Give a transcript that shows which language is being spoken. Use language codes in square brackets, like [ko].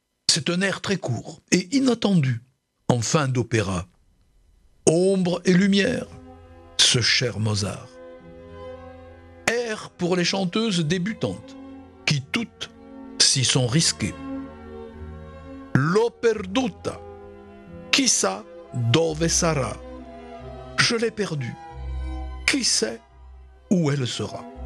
[fr] C'est un air très court et inattendu en fin d'opéra. Ombre et lumière, ce cher Mozart. Air pour les chanteuses débutantes, qui toutes s'y sont risquées. [it] L'ho perduta, chissà dove sarà. [fr] Je l'ai perdue, qui sait où elle sera.